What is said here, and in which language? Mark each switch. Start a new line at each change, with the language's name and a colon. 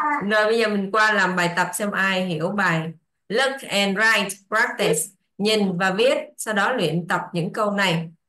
Vietnamese: Rồi bây giờ mình qua làm bài tập xem ai hiểu bài.
English: Look and write, practice.
Vietnamese: Nhìn và viết, sau đó luyện tập những câu này.